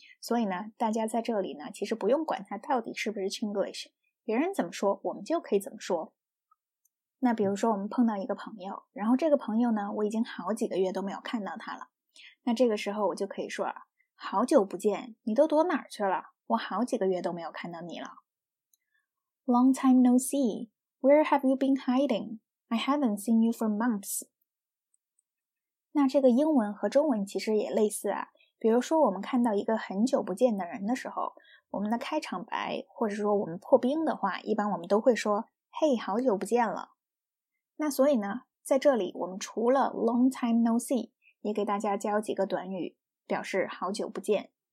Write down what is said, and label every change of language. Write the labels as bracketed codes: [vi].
[zh] 所以呢，大家在这里呢，其实不用管它到底是不是 Chinglish。别人怎么说我们就可以怎么说。那比如说我们碰到一个朋友，然后这个朋友呢，我已经好几个月都没有看到他了，那这个时候我就可以说，好久不见，你都躲哪儿去了？我好几个月都没有看到你了。 [en] Long time no see, where have you been hiding? I haven't seen you for months. [zh] 那这个英文和中文其实也类似啊，比如说我们看到一个很久不见的人的时候，我们的开场白或者说我们破冰的话，一般我们都会说，嘿，好久不见了。那所以呢，在这里我们除了 [en] long time no see， [zh] 也给大家教几个短语表示好久不见。